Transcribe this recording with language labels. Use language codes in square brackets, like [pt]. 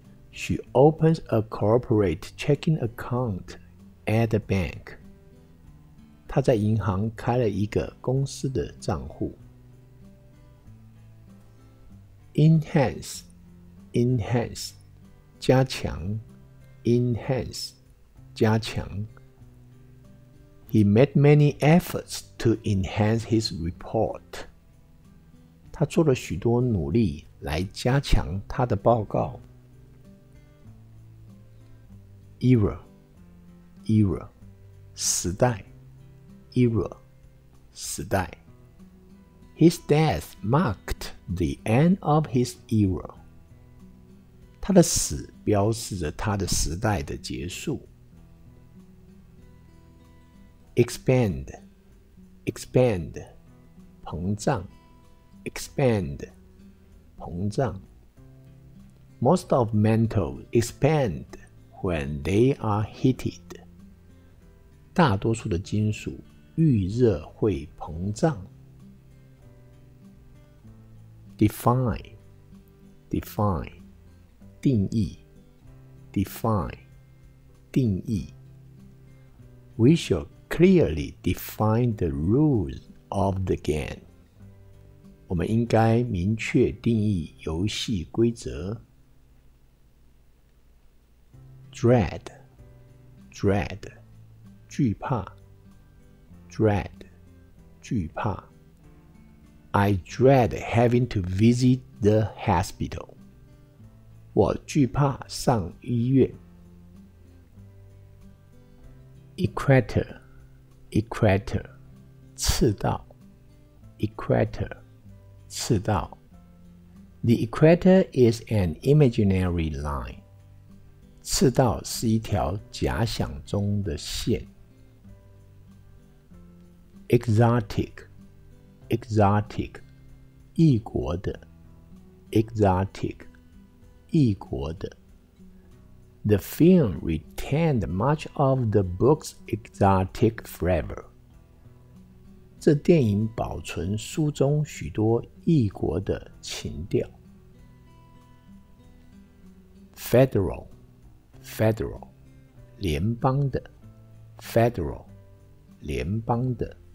[en] She opens a corporate checking account at the bank. [zh] 他在银行开了一个公司的账户。 [en] Enhance, 加强。 Enhance, 加强。He made many efforts to enhance his report. [zh] 他做了许多努力来加强他的报告。 [en] Era, 时代。 Era, 时代。 His death marked the end of his era. [zh] 他的死标示着他的时代的结束。 [en] Expand, 膨胀。 Expand, 膨胀。 Most of metals expand when they are heated. [zh] 大多数的金属遇热会膨胀。 [en] Define, 定义。 Define, 定义。 We shall clearly define the rules of the game. [zh] 我们应该明确定义游戏规则。 [en] Dread, 惧怕。 Dread, 惧怕。I dread having to visit the hospital. [zh] 我惧怕上医院。 [en] Equator, 赤道。 Equator, 赤道。The equator is an imaginary line. [zh] 赤道是一条假想中的线。 [en] Exotic, 异国的。 Exotic, 异国的。 The film retained much of the book's exotic flavor. [zh] 这电影保存书中许多异国的情调。 [en] Federal, 联邦的。Federal, 联邦的。